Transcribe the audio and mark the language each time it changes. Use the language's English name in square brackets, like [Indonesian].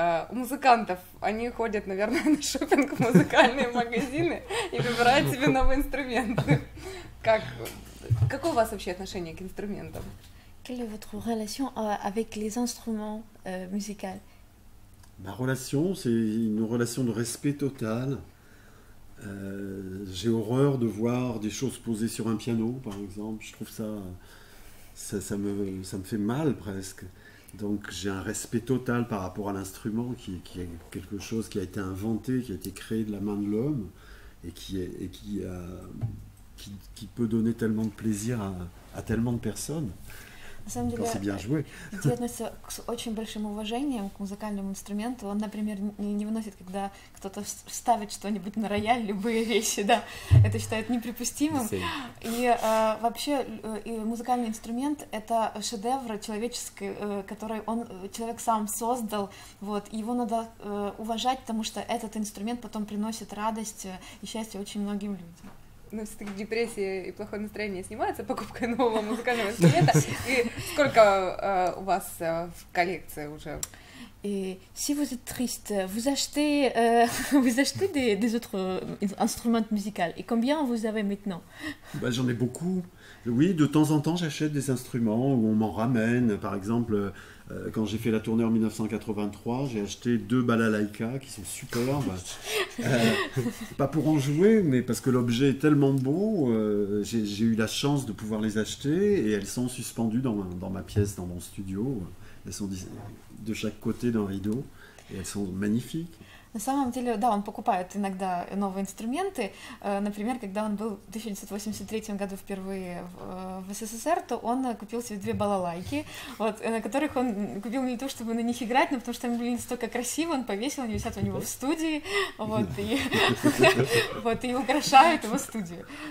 [Russian] У музыкантов они ходят, наверное, на шопинг в музыкальные магазины и выбирают себе новые инструменты. Какое у вас вообще отношение к инструментам? [French] Quelle est votre relation avec les instruments musicaux? Ma relation, c'est une relation de respect total. J'ai horreur de voir des choses posées sur un piano, par exemple. Je trouve ça. Ça me fait mal presque. Donc j'ai un respect total par rapport à l'instrument qui est quelque chose qui a été inventé, qui a été créé de la main de l'homme et qui peut donner tellement de plaisir à tellement de personnes. [Russian] На самом [French] Quand c'est [Russian] деле, [French] bien joué. [Russian] Дети относятся с очень большим уважением к музыкальному инструменту. Он, например, не выносит, когда кто-то ставит что-нибудь на рояль, любые вещи, да. Это считают непрепустимым. И вообще и музыкальный инструмент — это шедевр человеческий, который он человек сам создал. Вот, и его надо уважать, потому что этот инструмент потом приносит радость и счастье очень многим людям. Но все-таки депрессия и плохое настроение снимаются покупкой нового музыкального инструмента. И сколько у вас в коллекции уже? [French] Et si vous êtes triste, vous achetez des autres instruments musicaux. Et combien vous avez maintenant? Bah, j'en ai beaucoup. Oui, de temps en temps, j'achète des instruments où on m'en ramène. Par exemple, quand j'ai fait la tournée en 1983, j'ai acheté deux balalaïkas qui sont superbes. Pas pour en jouer, mais parce que l'objet est tellement beau, j'ai eu la chance de pouvoir les acheter et elles sont suspendues dans ma pièce, dans mon studio. Elles sont de chaque côté d'un rideau et elles sont magnifiques. [Russian] На самом деле, да, он покупает иногда новые инструменты. Например, когда он был в 1983 году впервые в СССР, то он купил себе две балалайки, вот, на которых он купил не то, чтобы на них играть, но потому что они были настолько красивые, он повесил, они висят у него в студии, вот, и украшают его студию.